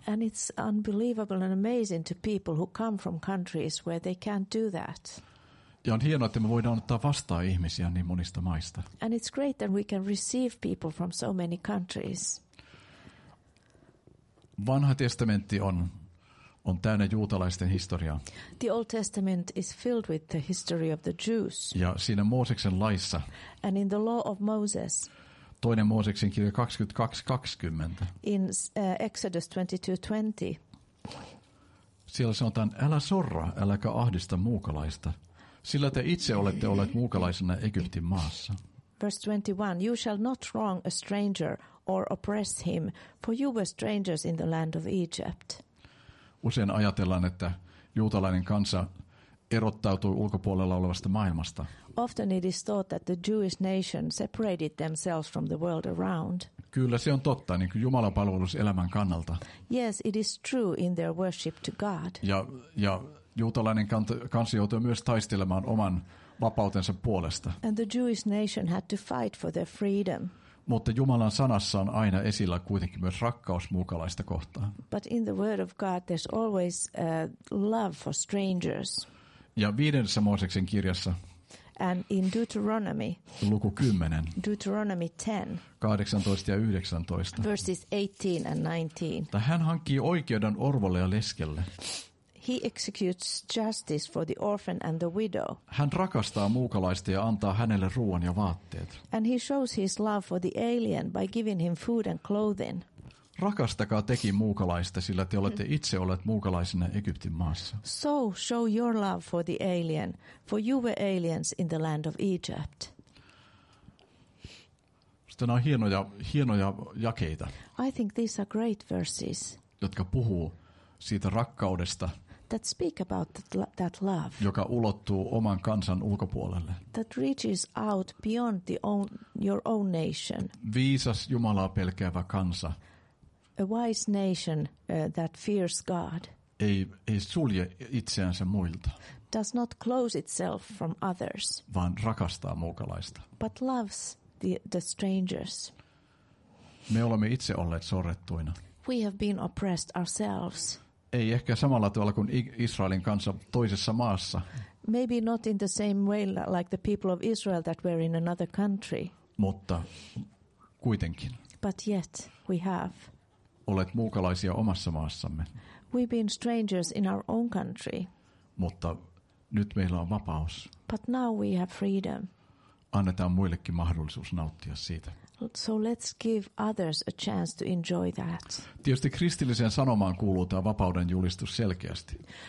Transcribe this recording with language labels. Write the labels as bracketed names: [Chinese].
[English] And it's unbelievable and amazing to people who come from countries where they can't do that. [Finnish] Ja on hienoa, että me voidaan ottaa vastaan ihmisiä niin monista maista. [English] And it's great that we can receive people from so many countries. [Finnish] Vanha testamentti on täynnä juutalaisten historiaa. [English] The Old Testament is filled with the history of the Jews. [Finnish] Ja siinä Mooseksen laissa. [English] And in the law of Moses. [Finnish] Toinen Mooseksen kirja 22:20. [English] In Exodus 22:20. [Finnish] Siellä sanotaan, älä sorra, äläkä ahdista muukalaista. Sillä te itse olette olleet muukalaisena Egyptin maassa. [English] Verse 21, you shall not wrong a stranger or oppress him, for you were strangers in the land of Egypt. [Finnish] Usein ajatellaan, että juutalainen kansa erottautui ulkopuolella olevasta maailmasta. [English] Often it is thought that the Jewish nation separated themselves from the world around. [Finnish] Kyllä se on totta, niin kuin Jumalan palvelus elämän kannalta. [English] Yes, it is true in their worship to God. [Finnish] Ja juutalainen kansa joutui myös taistelemaan oman vapautensa puolesta. [English] And the Jewish nation had to fight for their freedom. [Finnish] Mutta Jumalan sanassa on aina esillä kuitenkin myös rakkaus muukalaista kohtaan. [English] But in the word of God there's always love for strangers. [Finnish] Ja viidennessä Mooseksen kirjassa. [English] And in Deuteronomy. [Finnish] Luku 10. [English] Deuteronomy 10. [Finnish] 18 ja 19. [English] Verses 18 and 19. [Finnish] Tai hän hankkii oikeuden orvolle ja leskelle. [English] He executes justice for the orphan and the widow. [Finnish] Hän rakastaa muukalaista ja antaa hänelle ruoan ja vaatteet. [English] And he shows his love for the alien by giving him food and clothing. [Finnish] Rakastakaa teki muukalaista, sillä te olette itse olleet muukalaisina Egyptin maassa. [English] So show your love for the alien, for you were aliens in the land of Egypt. [Finnish] Sitten on hienoja jakeita. [English] I think these are great verses. [Finnish] Jotka puhuu siitä rakkaudesta. [English] That speak about that love. [Finnish] Joka ulottuu oman kansan ulkopuolelle. [English] That reaches out beyond the own, your own nation. [Finnish] Viisas Jumalaa pelkäävä kansa. [English] A wise nation that fears God. [Finnish] Ei sulje itseänsä muilta. [English] Does not close itself from others. [Finnish] Vaan rakastaa muukalaista. [English] But loves the strangers. [Finnish] Me olemme itse olleet sorrettuina. [English] We have been oppressed ourselves. [Finnish] Ei ehkä samalla tavalla kuin Israelin kansa toisessa maassa. [English] Maybe not in the same way like the people of Israel that were in another country. [Finnish] Mutta kuitenkin. [English] But yet we have. [Finnish] Olet muukalaisia omassa maassamme. [English] We've been strangers in our own country. [Finnish] Mutta nyt meillä on vapaus. [English] But now we have freedom. [Finnish] Annetaan muillekin mahdollisuus nauttia siitä. [English] So let's give others a chance to enjoy that. [Finnish] Tietysti kristilliseen sanomaan kuuluu tämä vapauden julistus selkeästi.